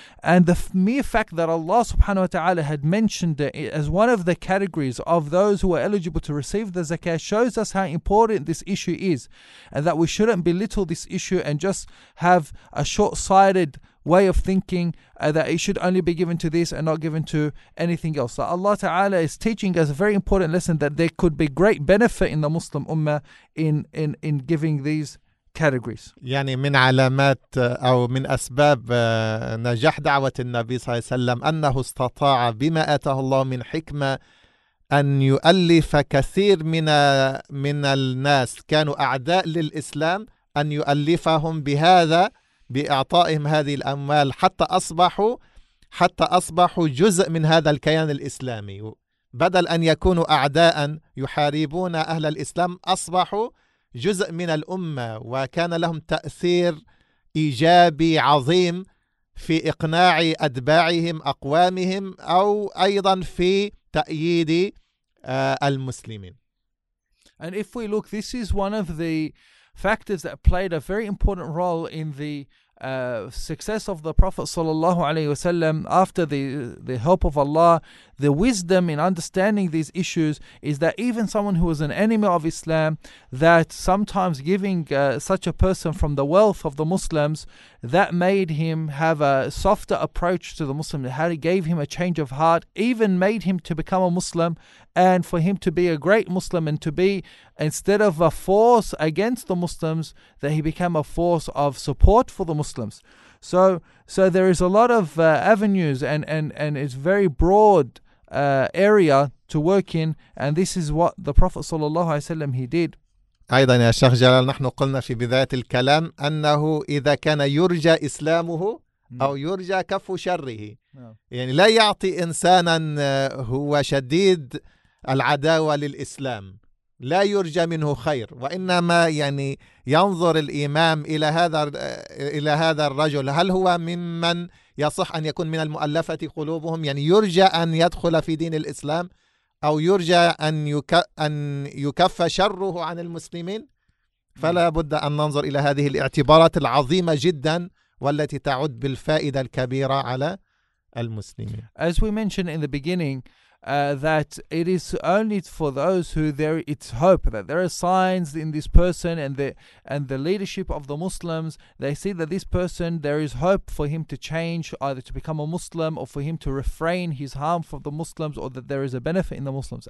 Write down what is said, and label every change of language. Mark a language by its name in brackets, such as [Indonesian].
[English] And the mere fact that Allah subhanahu wa ta'ala had mentioned it as one of the categories of those who are eligible to receive the zakat shows us how important this issue is, and that we shouldn't belittle this issue and just have a short-sighted way of thinking that it should only be given to this and not given to anything else. So Allah Ta'ala is teaching us a very important lesson that there could be great benefit in the Muslim Ummah in giving these categories. [Arabic] يعني من علامات أو من أسباب نجاح دعوة النبي صلى الله عليه وسلم أنه استطاع بما آته الله من حكمة أن يؤلف كثير من الناس كانوا أعداء للإسلام، أن يؤلفهم بهذا بإعطائهم هذه الأموال حتى أصبحوا جزء من هذا الكيان الإسلامي، بدل أن يكونوا أعداء يحاربون أهل الإسلام أصبحوا جزء من الأمة، وكان لهم تأثير إيجابي عظيم في إقناع أتباعهم أقوامهم أو أيضا في تأييد المسلمين. [English] And if we look, this is one of the factors that played a very important role in the success of the Prophet ﷺ after the help of Allah, the wisdom in understanding these issues is that even someone who was an enemy of Islam, that sometimes giving such a person from the wealth of the Muslims, that made him have a softer approach to the Muslim, how it gave him a change of heart, even made him to become a Muslim, and for him to be a great Muslim, and to be, instead of a force against the Muslims, that he became a force of support for the Muslims. So there is a lot of avenues, and it's very broad area to work in, and this is what the Prophet sallallahu alaihi wasallam he did. [Arabic] أيضا يا شيخ جلال نحن قلنا في بداية الكلام أنه إذا كان يرجى إسلامه أو يرجى كف شره يعني لا يعطي إنسانا هو شديد العداوة للإسلام لا يرجى منه خير وإنما يعني ينظر الإمام إلى هذا الرجل هل هو ممن يصح أن يكون من المؤلفة قلوبهم يعني يرجى أن يدخل في دين الإسلام أو يرجى أن يكف شره عن المسلمين فلا بد أن ننظر إلى هذه الاعتبارات العظيمة جدا والتي تعود بالفائدة الكبيرة على المسلمين. [English] As we mentioned in the beginning, that it is only for those who there it's hope that there are signs in this person and the leadership of the Muslims, they see that this person, there is hope for him to change, either to become a Muslim or for him to refrain his harm from the Muslims, or that there is a benefit in the Muslims.